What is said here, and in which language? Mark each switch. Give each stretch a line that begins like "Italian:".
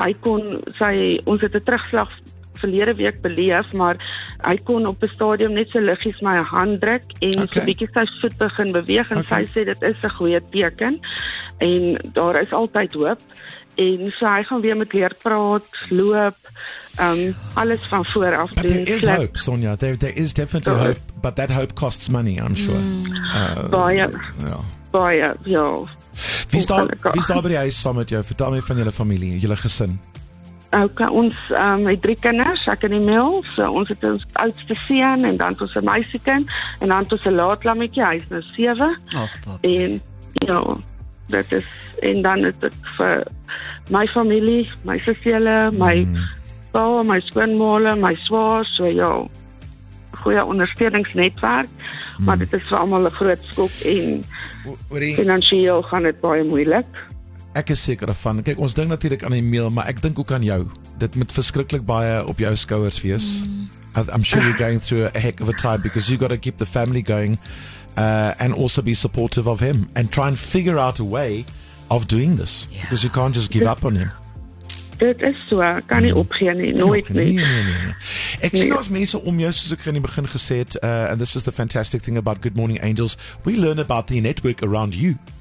Afrikaans: ons het 'n terugslag verlede week beleef, maar hy kon op die stadium net so liggies my hand druk en so bietjie sy voet begin beweeg en sy sê dit is 'n goeie teken en daar is altyd hoop en so hy gaan weer met leer praat, loop, alles van voor af doen.
English: But there is hope, Sonja, there is definitely hope, but that hope costs money, I'm sure.
Afrikaans: Baie, ja. Wie is daar by die huis saam met jou? Vertel my van julle familie, julle gesin. Okay, ons het 3 kinders, ek in die mail, so ons het ons oudste seun, en dan het ons 'n meisiekind, en dan het ons 'n laat lammetjie, hy is nou 7, en ja, dit is, en dan het ek vir my familie, my sisjelle, my pa, my skoonmaale, my swaar, so ja, goeie ondersteuningsnetwerk, maar dit is vir allemaal 'n groot skok, en financieel gaan dit baie moeilik. Ek is seker daarvan. Kyk, ons dink natuurlik aan die mail, maar ek dink ook aan jou. Dit moet verskriklik baie op jou skouers wees.
English: I'm sure you're going through a heck of a time because you got to keep the family going and also be supportive of him and try and figure out a way of doing this because you can't just give up on him.
Afrikaans: Dit is so, kan nie opgee nie, nooit nie. Ek sien as mense om jou, soos ek in die begin gesê het,
English: and this is the fantastic thing about Good Morning Angels, we learn about the network around you.